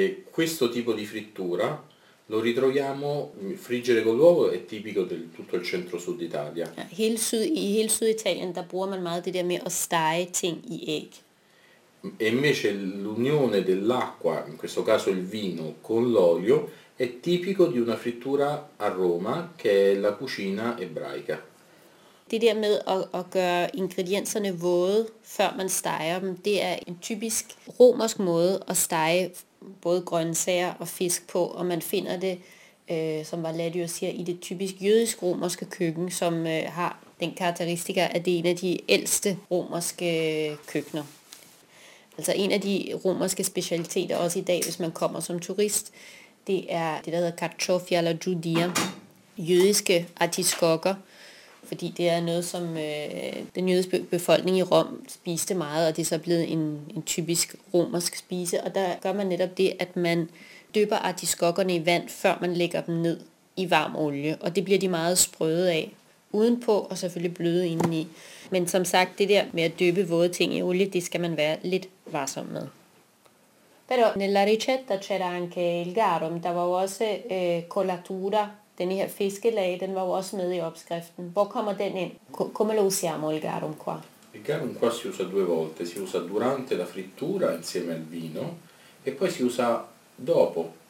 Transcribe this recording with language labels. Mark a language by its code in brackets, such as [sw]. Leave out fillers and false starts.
[it] Questo tipo di frittura lo ritroviamo friggere con l'uovo è tipico del tutto il centro sud Italia. [da] Hele Syditalien der bruger man meget det der med at stege ting i æg. [it] E invece l'unione dell'acqua, in questo caso il vino, con l'olio è tipico di una frittura a Roma che è la cucina ebraica. [da] Det der med at gøre ingredienserne våde, før man steger dem, det er en typisk romersk måde at stege både grøntsager og fisk på, og man finder det, som Valadio siger, i det typisk jødisk-romerske køkken, som har den karakteristika, at det er en af de ældste romerske køkkener. Altså en af de romerske specialiteter, også i dag, hvis man kommer som turist, det er det, der hedder kartofi eller judia, jødiske artiskokker, fordi det er noget, som den jødiske befolkning i Rom spiste meget, og det er så blevet en typisk romersk spise. Og der gør man netop det, at man dypper artiskokkerne i vand, før man lægger dem ned i varm olie. Og det bliver de meget sprøde af udenpå, og selvfølgelig bløde indeni. Men som sagt, det der med at dyppe våde ting i olie, det skal man være lidt varsom med. [it] Però nella ricetta c'era anche il garum, [da] der var også colatura. Den her fiskelage, den var jo også med i opskriften. Hvor kommer den ind? [it] Come lo usiamo il garum qua? Il garum qua si usa due volte. Si usa durante la frittura insieme al vino e poi si usa dopo.